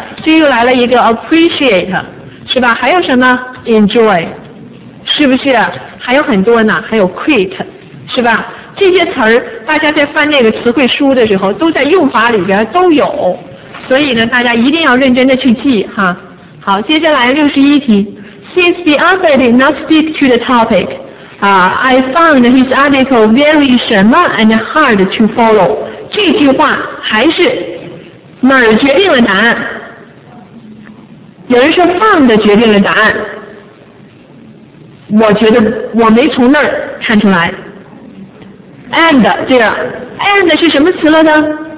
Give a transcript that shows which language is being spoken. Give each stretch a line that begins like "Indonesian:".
Chinese: 这又来了一个 appreciate， 是吧？还有什么 enjoy， 是不是？还有很多呢，还有 quit， 是吧？这些词儿大家在翻那个词汇书的时候都在用法里边都有，所以呢大家一定要认真的去记哈。好，接下来61题。
English: Since the author did not stick to the topic、I found his article very
Chinese: 什么
English: and hard to follow。
Chinese: 这句话还是哪儿决定了答案？有人说 found 决定了答案，我觉得我没从那儿看出来。 and 这样 and 是什么词了呢？